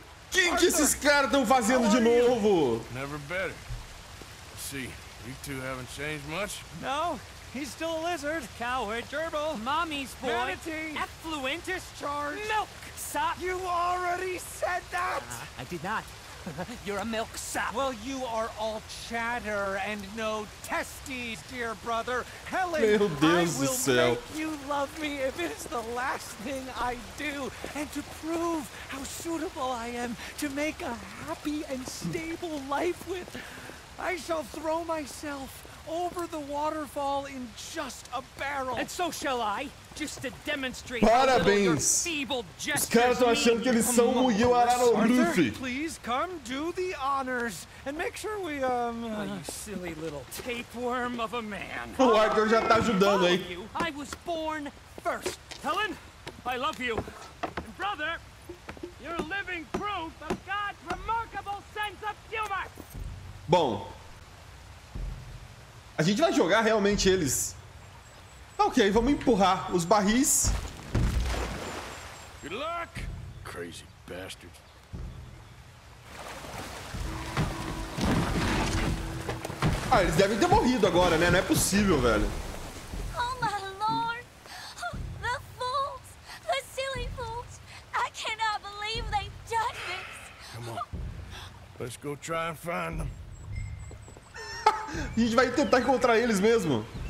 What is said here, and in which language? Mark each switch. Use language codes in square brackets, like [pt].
[pt] Quem que esses caras estão fazendo de novo? [en] Never better. See, you two haven't changed much. No, he's still a lizard, coward, gerbil, mommy's boy, manatee, effluentus charge, milk sap. You already said that. I did not. You're a milk sap. Well, you are all chatter and no testes, dear brother. [pt] Helen, meu Deus do céu. [en] I will make you love me if it is the last thing I do. And to prove how suitable I am to make a happy and stable life with, I shall throw myself over the waterfall in just a barrel. And so shall I. Just to demonstrate. [pt] Parabéns. Os caras estão achando que eles são o Yuararo Luffy. [en] Please come do the honors and make sure we You silly little tapeworm of a man. [pt] O Arthur já tá ajudando, hein? [en] I was born first. Helen, I love you. And brother, you're living proof of God's remarkable sense of humor. [pt] Bom. A gente vai jogar realmente eles. Ok, vamos empurrar os barris. [en] Good luck, crazy bastard. [pt] Ah, eles devem ter morrido agora, né? Não é possível, velho. [en] Oh my lord! The fools! The silly fools! I cannot believe they've done this! Come on. Let's go try and find them. [pt] A gente vai tentar encontrar eles mesmo.